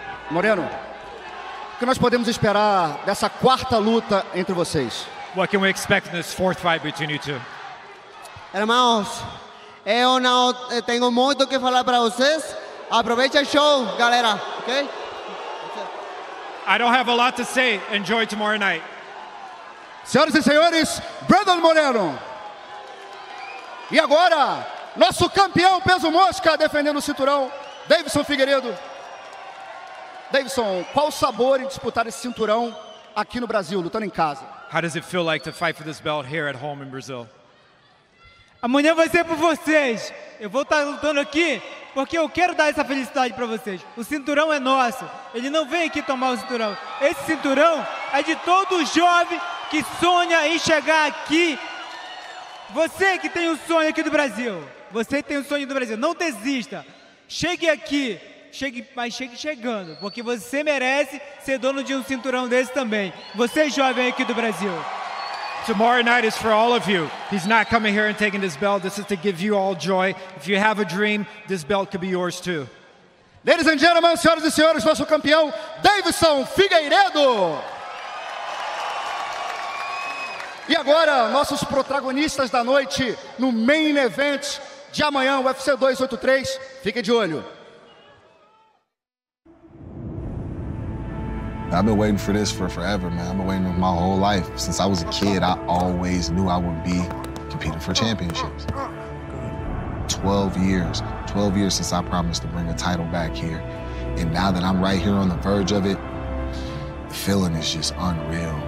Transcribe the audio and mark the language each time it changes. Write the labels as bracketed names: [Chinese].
[Portuguese] Moreno, o que nós podemos esperar dessa quarta luta entre vocês? [English] What can we expect in this fourth fight between you two? [Portuguese] Hermanos, eu não tenho muito o que falar para vocês. Aproveita o show, galera, ok? [English] I don't have a lot to say. Enjoy tomorrow night. [Portuguese] Senhoras e senhores, Brandon Moreno. E agora, nosso campeão peso mosca defendendo o cinturão, Davidson Figueiredo. Davidson, qual o sabor em disputar esse cinturão aqui no Brasil, lutando em casa? [English] How does it feel like to fight for this belt here at home in Brazil? [Portuguese] Amanhã vai ser por vocês. Eu vou estar lutando aqui porque eu quero dar essa felicidade para vocês. O cinturão é nosso. Ele não vem aqui tomar o cinturão. Esse cinturão é de todo jovem que sonha em chegar aqui. Você que tem um sonho aqui do Brasil. Você que tem um sonho do Brasil. Não desista. Chegue aqui. Chegue, mas chegue chegando. Porque você merece ser dono de um cinturão desse também. Você jovem aqui do Brasil. [English] Tomorrow night is for all of you. He's not coming here and taking this belt. This is to give you all joy. If you have a dream, this belt could be yours too. Ladies and gentlemen, [Portuguese] senhoras e senhores, nosso campeão, Davidson Figueiredo. E agora, nossos protagonistas da noite no main event de amanhã, UFC 283. Fique de olho. [English] I've been waiting for this for forever, man. I've been waiting my whole life. Since I was a kid, I always knew I would be competing for championships. 12 years since I promised to bring a title back here. And now that I'm right here on the verge of it, the feeling is just unreal.